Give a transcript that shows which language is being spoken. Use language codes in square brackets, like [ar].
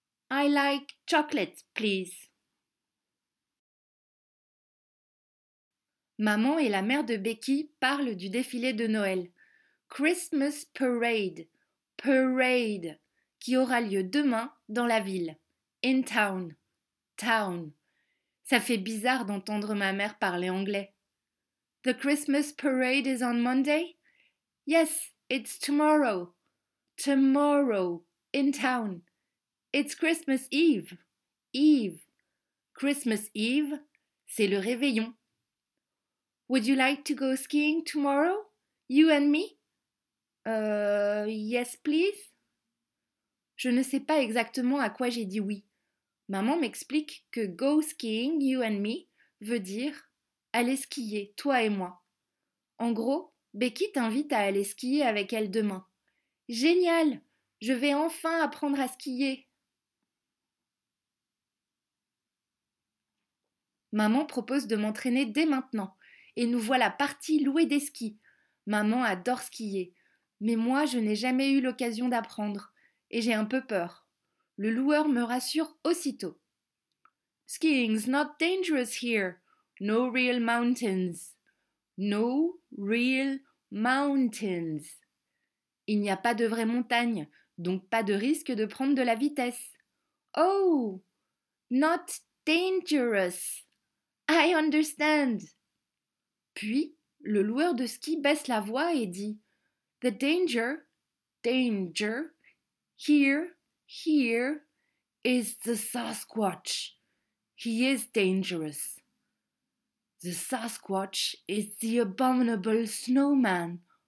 [en] I like chocolate, please. [fr] Maman et la mère de Becky parlent du défilé de Noël. [en] Christmas Parade. Parade. [fr] Qui aura lieu demain dans la ville. [en] In town. Town. [fr] Ça fait bizarre d'entendre ma mère parler anglais. [en] The Christmas Parade is on Monday? Yes, it's tomorrow. Tomorrow, in town. It's Christmas Eve. Eve. Christmas Eve, [fr] c'est le réveillon. [en] Would you like to go skiing tomorrow? You and me? Yes, please. [fr] Je ne sais pas exactement à quoi j'ai dit oui. Maman m'explique que [en] go skiing, you and me, [fr] veut dire aller skier, toi et moi. En gros, Becky t'invite à aller skier avec elle demain. Génial! Je vais enfin apprendre à skier! Maman propose de m'entraîner dès maintenant. Et nous voilà partis louer des skis. Maman adore skier. Mais moi, je n'ai jamais eu l'occasion d'apprendre. Et j'ai un peu peur. Le loueur me rassure aussitôt. [en] Skiing's not dangerous here. No real mountains. No real mountains. [fr] Il n'y a pas de vraies montagnes, donc pas de risque de prendre de la vitesse. [en] Oh, not dangerous. I understand. [fr] Puis, le loueur de ski baisse la voix et dit [en] The danger, here, is the Sasquatch. He is dangerous. The Sasquatch is the abominable snowman.